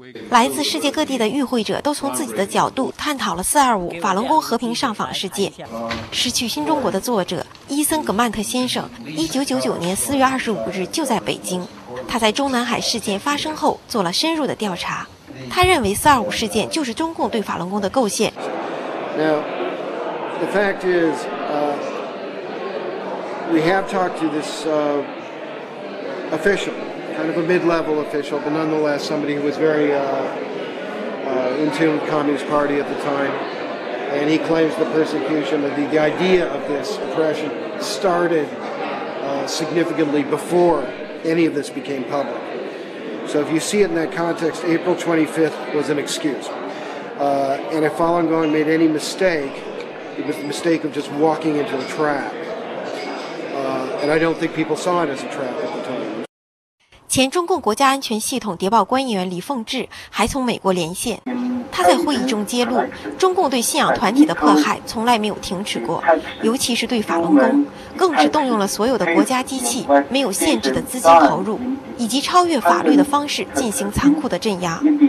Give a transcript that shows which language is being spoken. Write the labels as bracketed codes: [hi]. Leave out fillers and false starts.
[zh] 来自世界各地的与会者都从自己的角度探讨了425法轮功和平上访事件。失去新中国的作者伊森·葛曼特先生1999年4月25日就在北京，他在中南海事件发生后做了深入的调查，他认为425事件就是中共对法轮功的构陷。 [en] Now, the fact is, we have talked to this official, kind of a mid-level official, but nonetheless somebody who was very in tune with the Communist Party at the time, and he claims the persecution of the idea of this oppression started significantly before any of this became public. So if you see it in that context, April 25th was an excuse. And if Falun Gong made any mistake, it was the mistake of just walking into a trap. And I don't think people saw it as a trap at the time. [zh] 前中共国家安全系统谍报官员李凤智还从美国连线，他在会议中揭露，中共对信仰团体的迫害从来没有停止过，尤其是对法轮功，更是动用了所有的国家机器，没有限制的资金投入，以及超越法律的方式进行残酷的镇压。